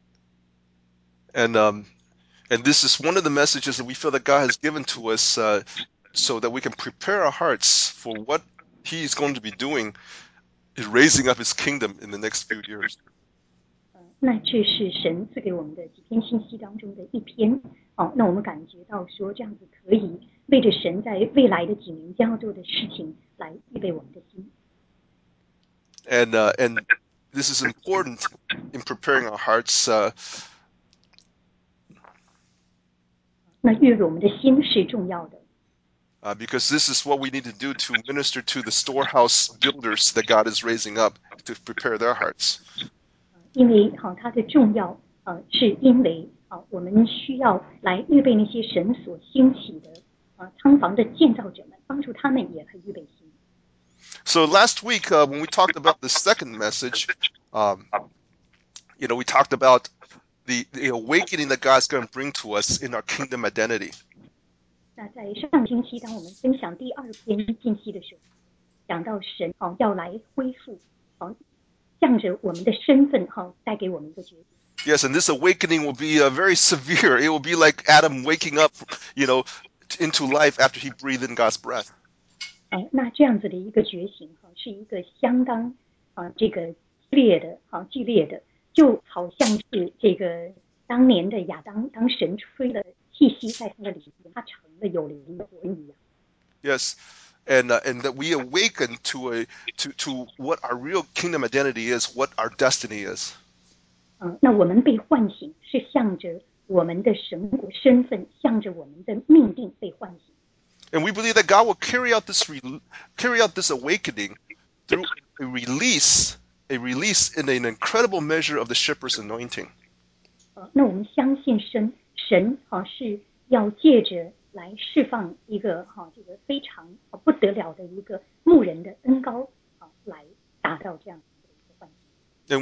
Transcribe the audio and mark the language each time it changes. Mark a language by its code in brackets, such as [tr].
[zh] 那这个我们今天要分享的第四篇的信息是讲的神将会以前所未有的方式赐下牧人的恩膏，带下智慧、恢复和丰盛。And [en] this is one of the messages that we feel that God has given to us so that we can prepare our hearts for what He is going to be doing in raising up His kingdom in the next few years. [zh] 那这是神赐给我们的几篇信息当中的一篇，那我们感觉到说这样子可以为着神在未来的几年将要做的事情来预备我们的心。 [en] And this is important in preparing our hearts. [zh] 那预备我们的心是重要的。 [en] Because this is what we need to do to minister to the storehouse builders that God is raising up to prepare their hearts. [zh] 因为好，它的重要，是因为我们需要来预备那些神所兴起的仓房的建造者们，帮助他们也可以预备心。 [en] So last week, when we talked about the second message, we talked about the awakening that God's going to bring to us in our kingdom identity. [zh] 那在上星期，当我们分享第二篇信息的时候，讲到神要来恢复向着我们的身份带给我们一个决定。 [en] Yes, and this awakening will be very severe. It will be like Adam waking up, into life after he breathed in God's breath. [zh] 那这样子的一个觉醒是一个相当这个剧烈的，就好像是这个当年的亚当，当神吹了气息在他的里面，他成了有灵的魂一样。 [en] Yes, and that we awaken to what our real kingdom identity is, what our destiny is. [zh] 那我们被唤醒是向着我们的神国身份，向着我们的命定被唤醒。 [en] And we believe that God will carry out this awakening through a release in an incredible measure of the shepherd's anointing. [zh] 那我们相信神是要借着来释放一个这个非常不得了的一个牧人的恩膏来达到这样的一个唤醒。